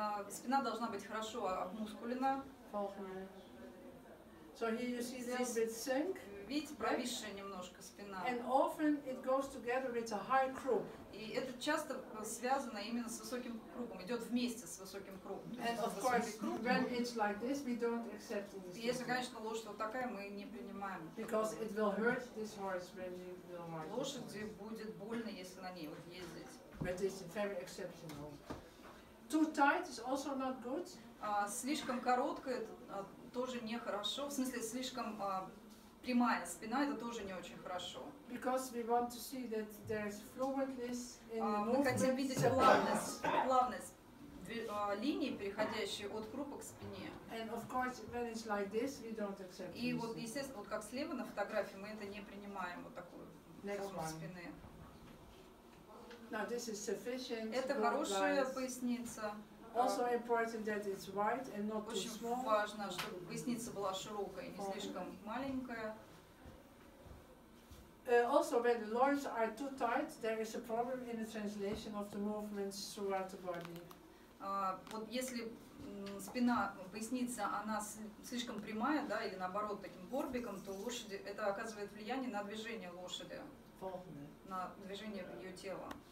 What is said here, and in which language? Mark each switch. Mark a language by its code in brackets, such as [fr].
[ru] Спина должна быть хорошо обмускулена. [en] So here you see a little bit sink. [ru] Видите, провисшая немножко спина. [en] And often it goes together with a high croup. [ru] И это часто связано именно с высоким кругом. Идет вместе с высоким кругом. [en] And of course, when it's like this, we don't accept this. [ru] И если, конечно, лошадь вот такая, мы не принимаем. [en] Because it will hurt this horse when you will ride. [ru] Лошади будет больно, если на ней вот ездить. [en] But it's very exceptional. Too tight is also not good. [ru] Слишком короткая тоже нехорошо. В смысле, слишком прямая спина, это тоже не очень хорошо. [en] Because we want to see that there is fluidness in the [ru] Мы хотим видеть плавность в линии, переходящие от крупа к спине. [en] And of course, when it's like this, we don't accept. [ru] И вот, естественно, вот как слева на фотографии, мы это не принимаем, вот такую форму спины. [en] Now this is sufficient. [ru] Это хорошая поясница. [en] Also important that it's wide and not too small. [ru] Очень важно, чтобы поясница была широкая, не слишком маленькая. [en] Also, when the loins are too tight, there is a problem in the translation of the movements throughout the body. [ru] Вот если спина, поясница, она слишком прямая, да, или наоборот таким горбиком, то лошади это оказывает влияние на движение лошади, на движение ее тела.